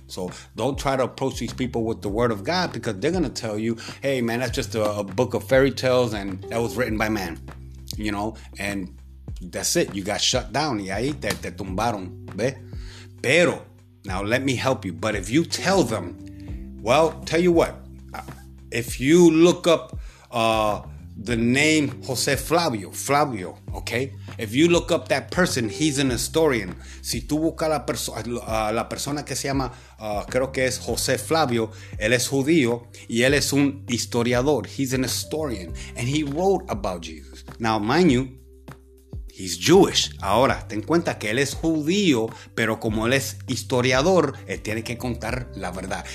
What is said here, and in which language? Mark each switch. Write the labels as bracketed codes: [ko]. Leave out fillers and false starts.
[en] So don't try to approach these people with the word of God, because they're going to tell you, hey man, that's just a book of fairy tales and that was written by man, you know, and that's it, you got shut down, [es] y ahí te tumbaron, ¿ve? [en] Pero, now let me help you, but if you tell them, well, tell you what, if you look up the name José Flavio, okay? If you look up that person, he's an historian. [es] Si tú buscas la persona que se llama, creo que es José Flavio, él es judío y él es un historiador. [en] He's an historian and he wrote about Jesus. Now, mind you, he's Jewish. [es] Ahora, ten cuenta que él es judío, pero como él es historiador, él tiene que contar la verdad.